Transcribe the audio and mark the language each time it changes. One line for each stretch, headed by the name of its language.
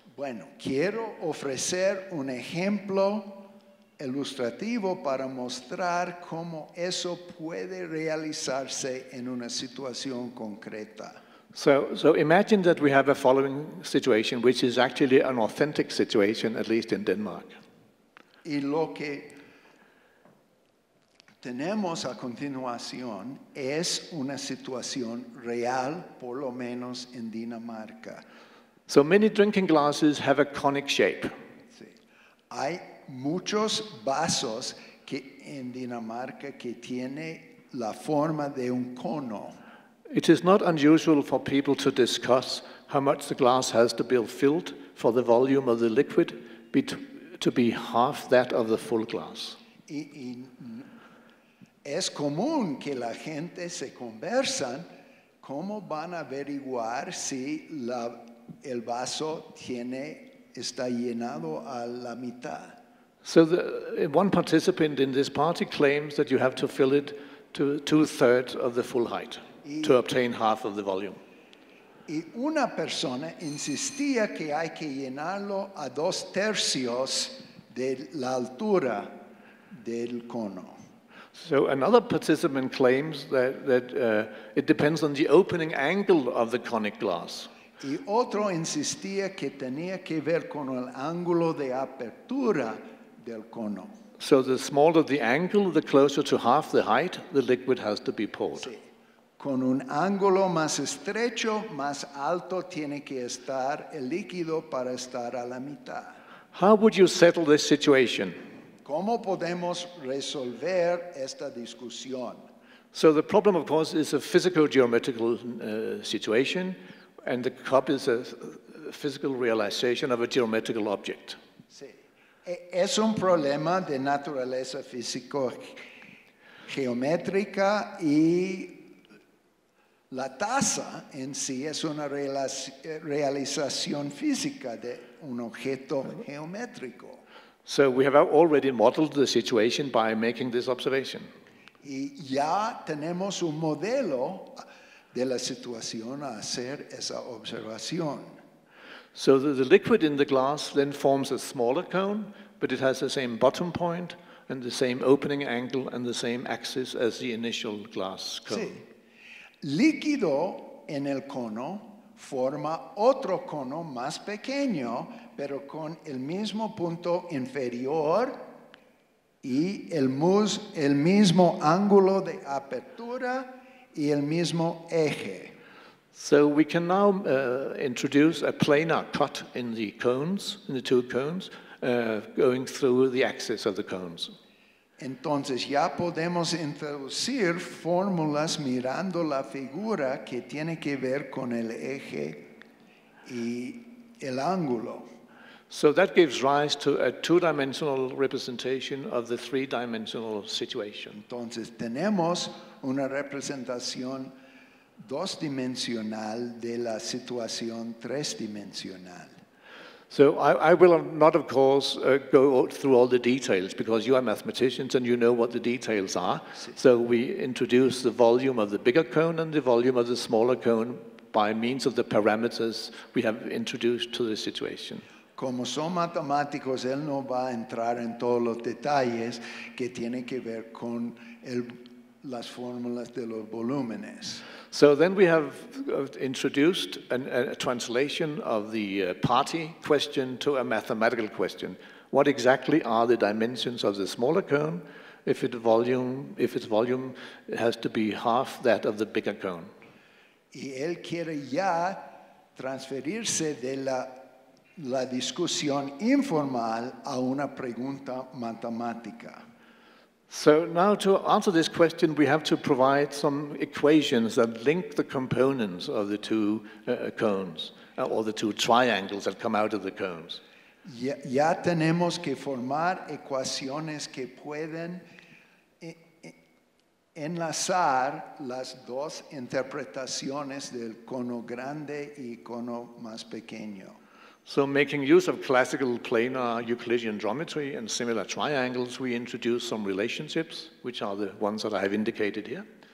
Spanish: Bueno, quiero ofrecer un ejemplo ilustrativo para mostrar cómo eso puede realizarse en una situación concreta.
English: So imagine that we have a following situation, which is actually an authentic situation, at least in Denmark.
Spanish: Y lo que tenemos a continuación es una situación real, por lo menos en Dinamarca.
English: So many drinking glasses have a conic shape.
Spanish: Sí. Hay muchos vasos que en Dinamarca que tiene la forma de un cono.
English: It is not unusual for people to discuss how much the glass has to be filled for the volume of the liquid to be half that of the full glass.
Spanish: Y es común que la gente se conversan ¿cómo van a averiguar si el vaso está llenado a la mitad?
English: So one participant in this party claims that you have to fill it to 2/3 of the full height to obtain half of the volume.
Spanish: Y una persona insistía que hay que llenarlo a 2/3 de la altura del cono.
English: So another participant claims that it depends on the opening angle of the conic glass.
Spanish: Y otro insistía que tenía que ver con el ángulo de apertura del cono.
English: So the smaller the angle, the closer to half the height, the liquid has to be poured.
Spanish: Sí. Con un ángulo más estrecho, más alto tiene que estar el líquido para estar a la mitad.
English: How would you settle this situation?
Spanish: ¿Cómo podemos resolver esta discusión?
English: So the problem, of course, is a physical geometrical situation, and the cup is a physical realization of a geometrical object.
Spanish: Sí. Es un problema de naturaleza físico-geométrica, y la taza en sí es una realización física de un objeto geométrico.
English: So we have already modeled the situation by making this observation.
Spanish: Y ya tenemos un modelo de la situación a hacer esa observación.
English: So the liquid in the glass then forms a smaller cone, but it has the same bottom point and the same opening angle and the same axis as the initial glass cone.
Spanish: Sí. Líquido en el cono forma otro cono más pequeño, pero con el mismo punto inferior y el mismo ángulo de apertura y el mismo eje.
English: So we can now introduce a planar cut in the cones, in the two cones, going through the axis of the cones.
Spanish: Entonces ya podemos introducir fórmulas mirando la figura que tiene que ver con el eje y el ángulo.
English: So that gives rise to a two-dimensional representation of the three-dimensional situation.
Spanish: Entonces tenemos una representación dos-dimensional de la situación tres-dimensional.
English: So I will not, of course, go through all the details, because you are mathematicians and you know what the details are.
Spanish: Sí.
English: So we introduce the volume of the bigger cone and the volume of the smaller cone by means of the parameters we have introduced to the situation.
Spanish: Como son matemáticos, él no va a entrar en todos los detalles que tienen que ver con las fórmulas de los volúmenes.
English: So then we have introduced a translation of the party question to a mathematical question. What exactly are the dimensions of the smaller cone if its volume has to be half that of the bigger cone?
Spanish: Y él quiere ya transferirse de la discusión informal a una pregunta matemática.
English: So now to answer this question, we have to provide some equations that link the components of the two cones, or the two triangles that come out of the cones.
Spanish: Ya tenemos que formar ecuaciones que pueden enlazar las dos interpretaciones del cono grande y cono más pequeño.
English: So making use of classical planar Euclidean geometry and similar triangles, we introduce some relationships, which are the ones that I have indicated here.